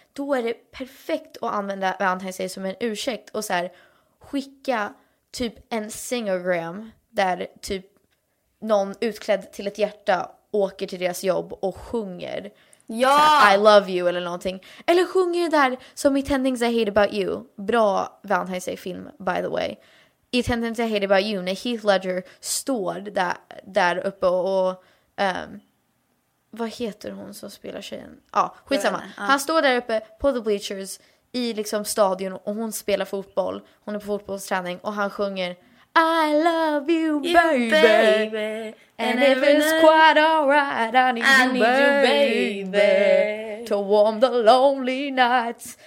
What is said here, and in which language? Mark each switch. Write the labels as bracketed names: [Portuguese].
[Swedish] Då är det perfekt att använda Valentine's Day som en ursäkt. Och så här, skicka typ en singergram där typ... någon utklädd till ett hjärta åker till deras jobb och sjunger I love you eller någonting. Eller sjunger det där som i Tendings I Hate About You. Bra Valentine's Day film [English] by the way. [Swedish] I Tendings I Hate About You när Heath Ledger står där uppe och vad heter hon som spelar tjejen? Skitsamma. Han står där uppe på [English] the bleachers [Swedish] i liksom stadion och hon spelar fotboll. Hon är på fotbollsträning och han sjunger [English] I love you, baby. And if it's quite alright, I need you, baby. To warm the lonely nights.